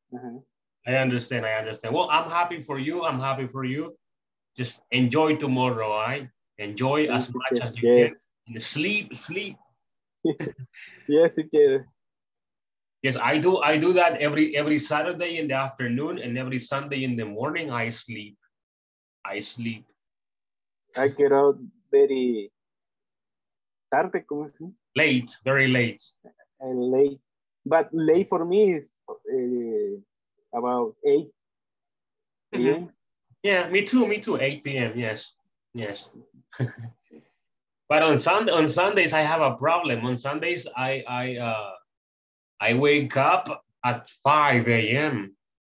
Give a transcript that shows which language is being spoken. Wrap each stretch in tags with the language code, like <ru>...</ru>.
<en>Uh-huh. I understand. Well, I'm happy for you. Just enjoy tomorrow, right? Enjoy as much as you can. And sleep. Yes, you can. Yes, I do that every Saturday in the afternoon, and every Sunday in the morning I sleep. I get out very</en> <es>tarde, ¿cómo se dice?</es> <en>Late, very late. And late, but late for me is about 8 p.m. Mm-hmm. Yeah, me too, 8 p.m., yes. But on Sundays, I have a problem. On Sundays, I wake up at 5 a.m.</en>